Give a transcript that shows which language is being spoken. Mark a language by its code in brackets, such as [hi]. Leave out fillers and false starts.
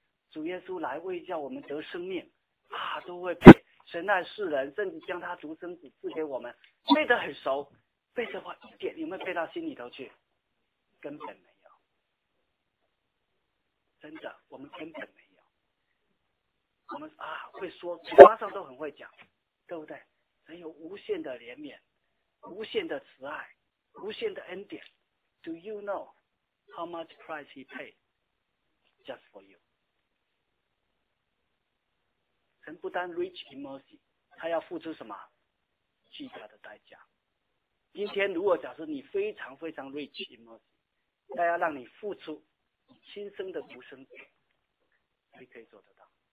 [zh] 主耶稣来为叫我们得生命啊，都会被神爱世人，甚至将他独生子赐给我们，背得很熟，背的话一点有没有背到心里头去？根本没有，真的，我们根本没有。我们啊会说，嘴巴上都很会讲，对不对？神有无限的怜悯，无限的慈爱，无限的恩典。 [en] Do you know how much price he paid just for you? [zh] 神不单 [en] rich in mercy, [zh] 他要付出什么巨大的代价。今天如果假设你非常非常 [en] rich in mercy, [zh] 他要让你付出亲生的独生子，你可以做得到。